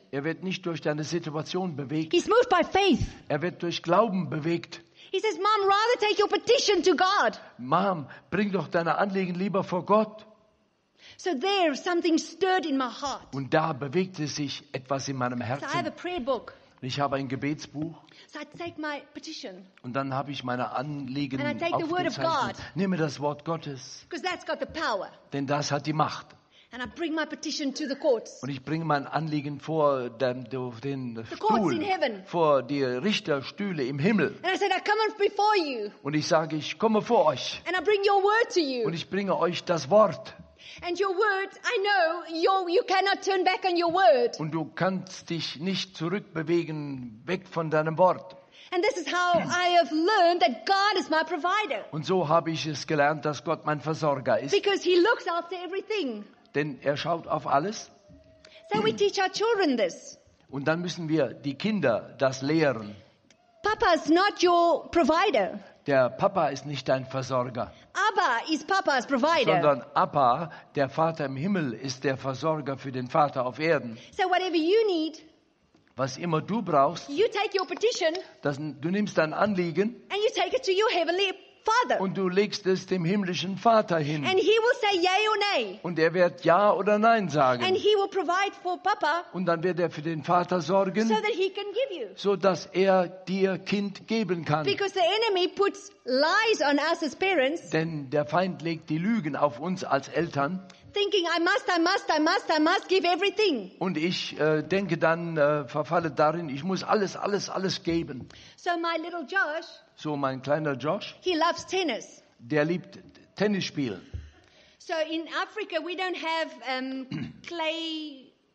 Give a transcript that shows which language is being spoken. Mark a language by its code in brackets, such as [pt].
[de] Er wird nicht durch deine Situation bewegt. [en] He's moved by faith. [de] Er wird durch Glauben bewegt. [en] He says, "Mom, rather take your petition to God." [de] Mom, bring doch deine Anliegen lieber vor Gott. [en] So there, something stirred in my heart. [de] Und da bewegte sich etwas in meinem Herzen. [en] So I have a prayer book. [de] Ich habe ein Gebetsbuch. [en] So I take my petition. [de] Und dann habe ich meine Anliegen aufgezeichnet. Nehme das Wort Gottes. [en] Because that's got the power. [de] Denn das hat die Macht. [en] And I bring my petition to the courts. [de] Und ich bringe mein Anliegen vor dem, den Stuhl, vor die Richterstühle im Himmel. [en] And I said, I come before you. [de] Und ich sage, ich komme vor euch. [en] And I bring your word to you. [de] Und ich bringe euch das Wort. [en] And your word, I know you cannot turn back on your word. [de] Und du kannst dich nicht zurückbewegen weg von deinem Wort. [en] And this is how I have learned that God is my provider. [de] Und so habe ich es gelernt, dass Gott mein Versorger ist. [en] Because he looks after everything. [de] Denn er schaut auf alles. [en] So we teach our children this. [de] Und dann müssen wir die Kinder das lehren. [en] Papa is not your provider. [de] Der Papa ist nicht dein Versorger. [en] Abba is Papa's provider. [de] Sondern Abba, der Vater im Himmel, ist der Versorger für den Vater auf Erden. [en] So whatever you need, [de] was immer du brauchst, [en] you take your petition, [de] das, du nimmst dein Anliegen [en] and you take it to your heavenly Father. [de] Und du legst es dem himmlischen Vater hin. [en] And he will say yay or nay. [de] Und er wird Ja oder Nein sagen. [en] And he will provide for Papa. [de] Und dann wird er für den Vater sorgen, [en] so that he can give you. [de] So dass er dir Kind geben kann. [en] Because the enemy puts lies on us as parents. [de] Denn der Feind legt die Lügen auf uns als Eltern. [en] Thinking I must give everything. [de] Und ich denke dann, verfalle darin, ich muss alles geben. [en] So my little Josh. [de] So mein kleiner Josh. [en] He loves tennis. [de] Der liebt Tennis spielen. [en] So in Africa we don't have clay.